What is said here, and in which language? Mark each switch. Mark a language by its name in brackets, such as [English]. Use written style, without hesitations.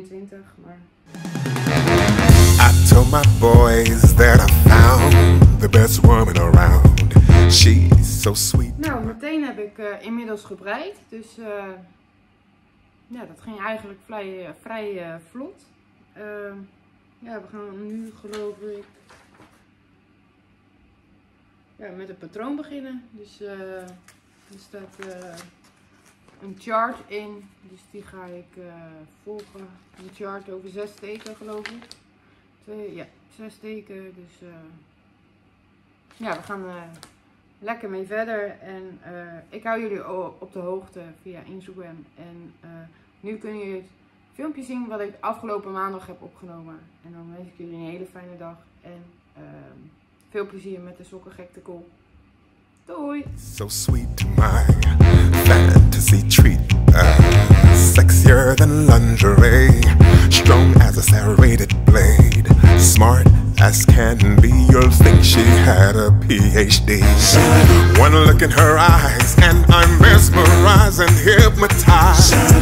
[English] Ja, 22, maar... I told my boys that I found the best woman around. She's so sweet. [Dutch] Nou, meteen heb ik inmiddels gebreid. Dus ja, dat ging eigenlijk vrij vlot. Ja, we gaan nu geloof ik... Ja, met het patroon beginnen. Dus er staat... een chart in, dus die ga ik volgen. Een chart over 6 teken, geloof ik. 2, ja, 6 teken, dus ja, we gaan lekker mee verder. En ik hou jullie op de hoogte via Instagram. En nu kun je het filmpje zien wat ik afgelopen maandag heb opgenomen. En dan wens ik jullie een hele fijne dag. En veel plezier met de sokkengektekop. Doei! [English] So sweet to my fantasy treat, sexier than lingerie, strong as a serrated blade, smart as can be, you'll think she had a PhD. One look in her eyes and I'm mesmerized and hypnotized.